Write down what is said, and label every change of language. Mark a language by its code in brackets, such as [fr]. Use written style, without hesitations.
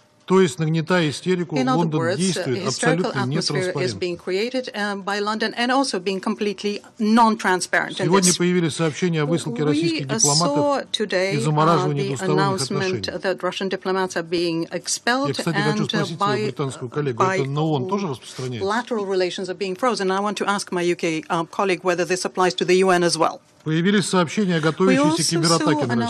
[ru] То есть, нагнетая истерику, Лондон действует абсолютно нетранспарентно. Сегодня появились сообщения о высылке российских дипломатов и замораживании двусторонних отношений. Я, кстати, хочу спросить свою британскую коллегу, это на ООН тоже распространяется? [en] Lateral relations are being frozen. I want to ask my UK colleague whether this applies to the UN as well. [ru] Появились сообщения о готовящейся кибератаке на